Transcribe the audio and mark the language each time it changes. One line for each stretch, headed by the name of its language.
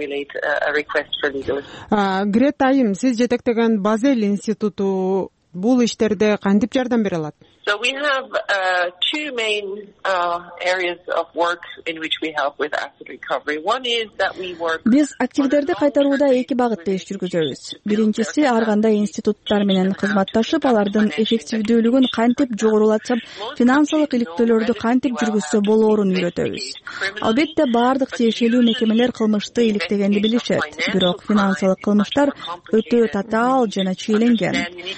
Kyrgyz: Грет айым, сиз жетектеген Базель институту бул иштерде кантип жардам бере алат?
English: So we have two main areas of work in which we help with asset recovery. One is that we work
Kyrgyz: Биз активдерди кайтарууда эки багытта иш жүргүзөбүз. Биринчиси ар кандай институттар менен кызматташып, алардын эффективдүүлүгүн кантип жогорулатсап, финансылык иликтөөлөрдү кантип жүргүзсө болоорун үйрөтөбүз. Албетте, бардык тиешелүү мекемелер кылмышты иликтегенди билишет, бирок финансылык кылмыштар өтө татаал жана чийленген.